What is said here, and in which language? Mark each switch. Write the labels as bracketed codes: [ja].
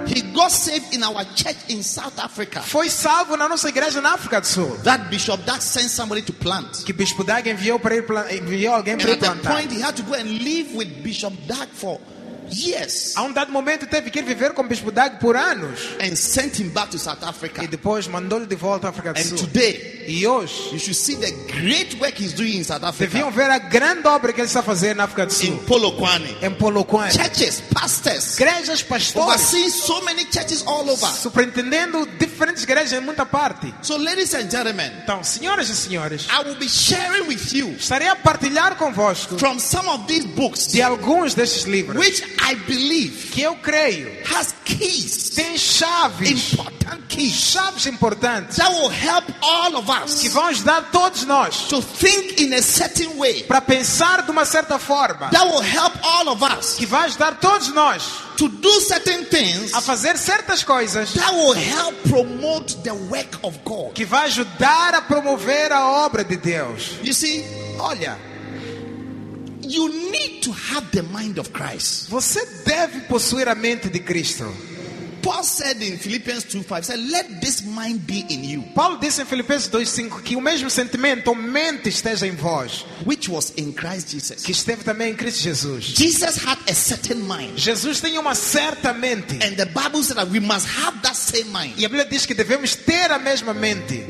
[en] He got saved in our church in South Africa. [pt] Foi salvo na nossa igreja na África do Sul. [en] That bishop that sent somebody to plant. [pt] Que Bispo Dag enviou para ir enviou alguém para plantar. [en] At that point, he had to go and live with Bishop Dag for. Yes. [pt] A dado momento teve que viver com Bispo Dag por anos. [en] And sent him back to South Africa. [pt] E depois mandou-lhe de volta à África do Sul. [en] And today, [pt] e hoje, [en] you should see the great work he's doing in South Africa. [pt] Deviam ver a grande obra que ele está fazendo na África do Sul. [en] In Polokwane. [pt] Em Polokwane. [en] Churches, pastors. [pt] Igrejas, pastores. [en] Overseeing so many churches all over. [pt] Superintendendo diferentes igrejas em muita parte. [en] So, ladies and gentlemen, [pt] então, senhoras e senhores, [en] I will be sharing with you. [pt] Estarei a partilhar convosco. [en] From some of these books. [pt] De alguns destes livros. [en] Which I believe, [pt] que eu creio, [en] has keys, [pt] tem chaves, [en] important keys, [pt] chaves importantes, [en] that will help all of us, [pt] que vão ajudar todos nós, [en] to think in a certain way, [pt] para pensar de uma certa forma, [en] that will help all of us, [pt] que vai ajudar todos nós, [en] to do certain things, [pt] a fazer certas coisas, [en] that will help promote the work of God, [pt] que vai ajudar a promover a obra de Deus. [en] You see, [pt] olha. [en] You need to have the mind of Christ. [pt] Você deve possuir a mente de Cristo. [en] Paul said in Philippians 2:5, said, "Let this mind be in you." [pt] Paulo disse em Filipenses 2:5 que o mesmo sentimento ou mente esteja em vós, [en] which was in Christ Jesus. [pt] Que esteve também em Cristo Jesus. [en] Jesus had a certain mind. [pt] Jesus tinha uma certa mente. [en] And the Bible said that we must have that same mind. [pt] E a Bíblia diz que devemos ter a mesma mente.